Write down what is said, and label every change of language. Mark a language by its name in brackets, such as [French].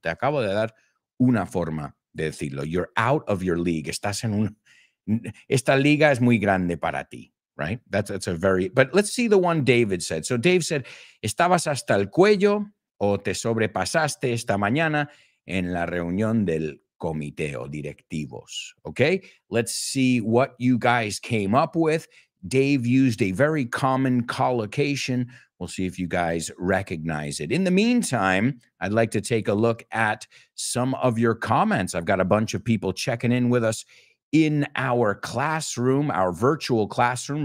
[Spanish] Te acabo de dar una forma de decirlo. [English] You're out of your league. [Spanish] Estás en un, esta liga es muy grande para ti. [English] Right? That's a very, but let's see the one David said. [Spanish] So Dave said, estabas hasta el cuello o te sobrepasaste esta mañana en la reunión del comité o directivos. [English] Okay? Let's see what you guys came up with. Dave used a very common collocation. We'll see if you guys recognize it. In the meantime, I'd like to take a look at some of your comments. I've got a bunch of people checking in with us in our classroom, our virtual classroom.